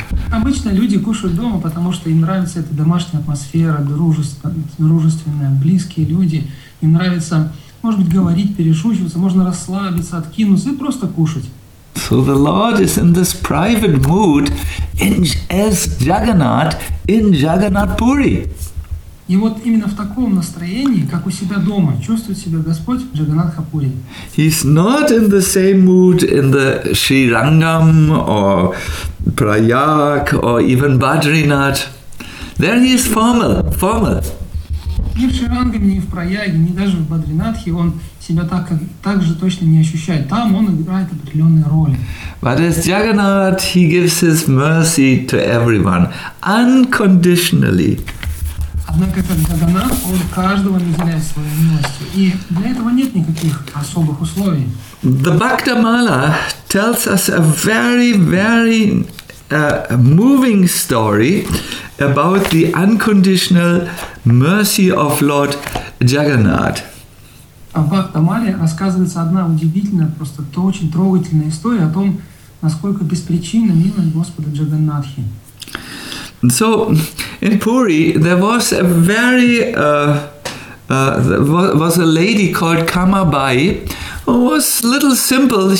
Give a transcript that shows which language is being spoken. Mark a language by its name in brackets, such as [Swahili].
[Russian] Обычно люди кушают дома, потому что им нравится эта домашняя атмосфера, дружественная, близкие люди. Им нравится, может быть, говорить, перешучиваться, можно расслабиться, откинуться и просто кушать. [English] So the Lord is in this private mood as Jagannath in Jagannath Puri. [Russian] И вот именно в таком настроении, как у себя дома, чувствует себя Господь в Джаганнатха Пури. [English] He's not in the same mood in the Sri Rangam or Prayag or even Badrinath. There he is formal. [Russian] Ни в Sri Rangam, ни в Prayag, ни даже в Badrinath он себя так же точно не ощущает. Там он играет определенные роли. [English] But as Jagannath, he gives his mercy to everyone unconditionally. [Russian] Однако как Джаганнат, он каждого наделяет своей милостью. И для этого нет никаких особых условий. [English] The Bhaktamala tells us a very, very moving story about the unconditional mercy of Lord Jagannath. [Russian] А в Бхактамале рассказывается одна удивительная, просто очень трогательная история о том, насколько беспричинна милость Господа Джагнатхи. [English] So in Puri there was a very was a lady called Kamabai who was little simple.